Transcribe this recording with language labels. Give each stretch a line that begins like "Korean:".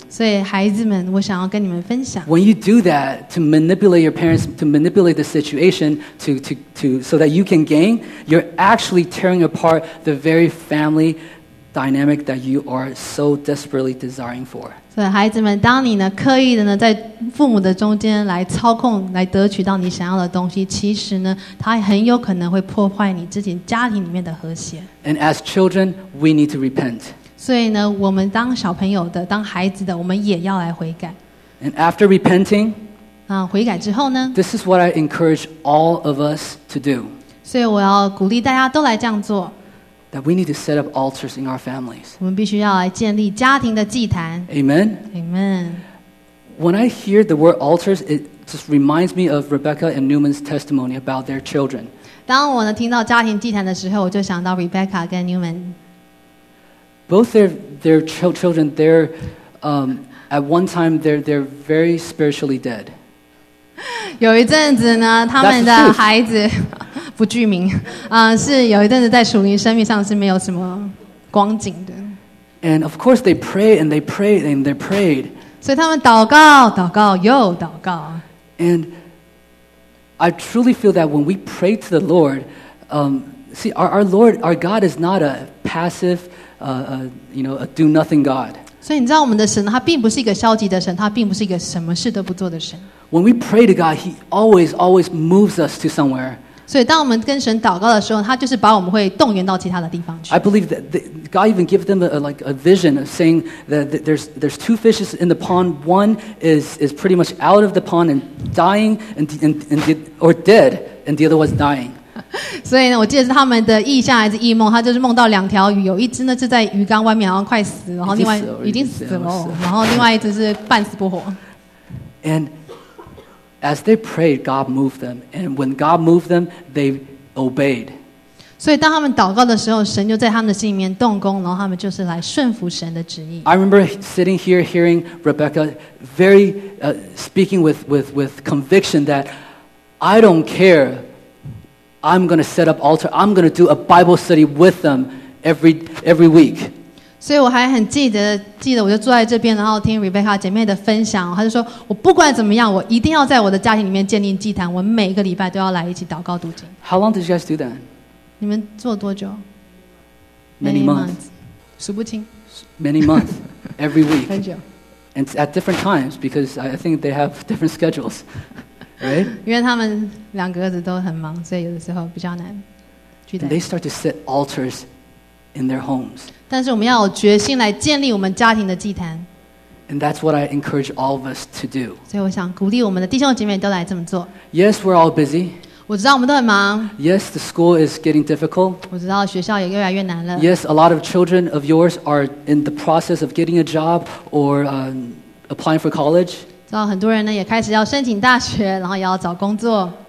Chinese: 所以孩子们，我想要跟你们分享。
English: When you do that to manipulate your parents, to manipulate the situation, to so that you can gain, you're actually tearing apart the very family dynamic that you are so desperately desiring for.
Chinese: 所以孩子们，当你呢刻意的呢在父母的中间来操控，来得取到你想要的东西，其实呢，它很有可能会破坏你自己家庭里面的和谐。
English: And as children, we need to repent.
Chinese: 所以呢，我们当小朋友的，当孩子的，我们也要来悔改。
English: And after repenting,
Chinese: 悔改之后呢
English: ？This is what I encourage all of us to do.
Chinese: 所以我要鼓励大家都来这样做。
English: That we need to set up altars in our families.
Chinese: 我们必须要来建立家庭的祭坛。
English: Amen. Amen. When I hear the word altars, it just reminds me of Rebecca and Newman's testimony about their children.
Chinese: 当我呢听到家庭祭坛的时候，我就想到 Rebecca 跟 Newman。
English: Both their children, they're at one time they're very spiritually dead.
Chinese: 有一阵子呢，他们的孩子不具名，是有一阵子在属灵生命上是没有什么光景的。
English: And of course they prayed and they prayed and they prayed.
Chinese: 所以他们祷告，祷告又祷告。
English: And I truly feel that when we pray to the Lord, see our Lord, our God is not a passive. A do nothing God.
Chinese: 所以你知道我们的神，他并不是一个消极的神，他并不是一个什么事都不做的神。
English: When we pray to God, He always moves us to somewhere.
Chinese: 所以当我们跟神祷告的时候，他就是把我们会动员到其他的地方去。
English: I believe that God even gave them a vision of saying that there's two fishes in the pond. One is pretty much out of the pond and dying or dead, and the other was dying.
Chinese: 所以呢，我记得是他们的意象还是异梦，他就是梦到两条鱼，有一只呢就在鱼缸外面，然后快死，然后另外已经死了，然后另外一只是半死不活。
English: And as they prayed, God moved them. And when God moved them, they obeyed.
Chinese: 所以当他们祷告的时候，神就在他们的心里面动工，然后他们就是来顺服神的旨意。
English: I remember sitting here hearing Rebecca very speaking with conviction that I don't care. I'm going to set up altar. I'm going to do a Bible study with them every week.
Chinese: 所以我还很记得我就坐在这边，然后听 Rebecca 姐妹的分享，她就说我不管怎么样，我一定要在我的家庭里面建立祭坛，我每一个礼拜都要来一起祷告读经。
English: How long did you guys do that?
Chinese: 你们做多久？
English: Many months.
Chinese: 数不清。
English: Many months. Every week.
Chinese: 很久。
English: And at different times, because I think they have different schedules. Right?
Chinese: 因为他们两个儿子都很忙，所以有的时候比较难聚在。
English: They start to set altars in their homes.
Chinese: 但是我们要有决心来建立我们家庭的祭坛。
English: And that's what I encourage all of us to do.
Chinese: 所以我想鼓励我们的弟兄姐妹都来这么做。
English: Yes, we're all busy.
Chinese: 我知道我们都很忙。
English: Yes, the school is getting difficult.
Chinese: 我知道学校也越来越难了。
English: Yes, a lot of children of yours are in the process of getting a job or applying for college.
Chinese: 知道很多人呢也开始要申请大学，然后也要找工作。